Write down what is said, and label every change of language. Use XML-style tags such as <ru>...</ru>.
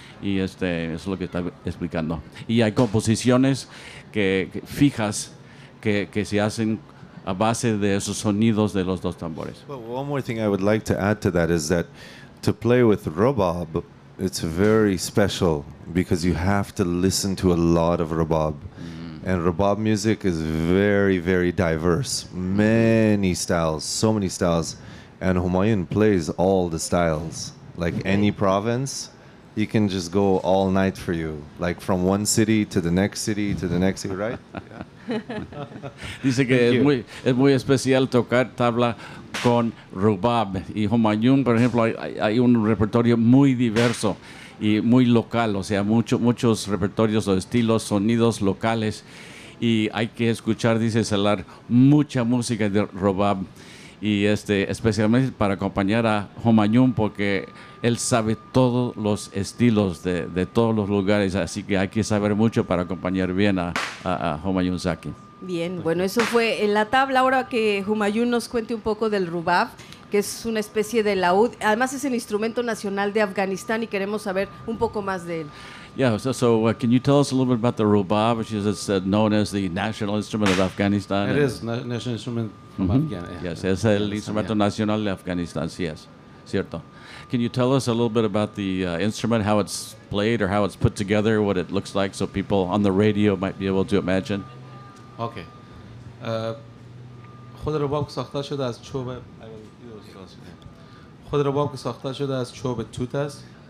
<es>Y este es lo que está explicando. Y hay composiciones que fijas que se hacen a base de esos sonidos de los dos tambores.</es> <en>Well, one more thing I would like to add to that is that to play with rabab, it's very special because you have to listen to a lot of rabab. And rabab music is very, very diverse. Many styles, so many styles. And Humayun plays all the styles, like any province. He can just go all night for you, like from one city to the next city to the next city, right?</en> <es>Dice que es muy especial tocar tabla con rubab. Y Humayun, por ejemplo, hay un repertorio muy diverso y muy local, o sea, muchos repertorios o estilos, sonidos locales. Y hay que escuchar, dice Salar, mucha música de rubab. Y especialmente para acompañar a Humayun, porque él sabe todos los estilos de todos los lugares, así que hay que saber mucho para acompañar bien a Humayun Zaki. Bien, bueno, eso fue en la tabla. Ahora que Humayun nos cuente un poco del rubab, que es una especie de laúd. Además, es el instrumento nacional de Afganistán y queremos saber un poco más de él.</es> <en>Yeah, so can you tell us a little bit about the rubab, which is known as the national instrument of Afghanistan? It is national instrument of Afghanistan.</en> <es>Yes, es el instrumento nacional de Afganistán, sí es, cierto.</es> <en>Can you tell us a little bit about the instrument, how it's played or how it's put together, what it looks like, so people on the radio might be able to imagine? Okay.</en> <fa>خود رباب ساخته شده از چوب خود رباب ساخته شده از چوب توت است.</fa>